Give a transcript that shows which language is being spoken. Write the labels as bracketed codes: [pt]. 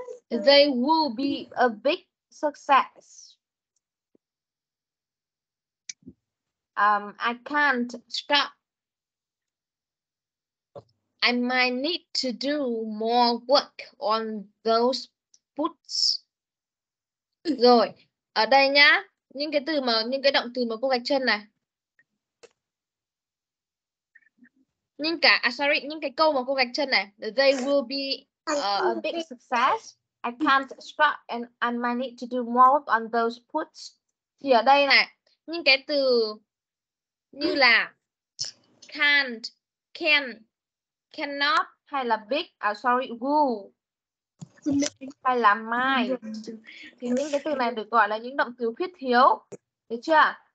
[en] They will be a big success. I can't stop. I might need to do more work on those boots. [vi] Rồi, ở đây nhá, những cái từ mà những cái động từ mà cô gạch chân này. Những cả những cái câu mà cô gạch chân này, [en] they will be a big success. I can't stop and I might need to do more work on those puts. [vi] Thì ở đây này, những cái từ như là can't, can, cannot hay là big, will hay là might. Thì những cái từ này được gọi là những động từ khuyết thiếu. Được chưa?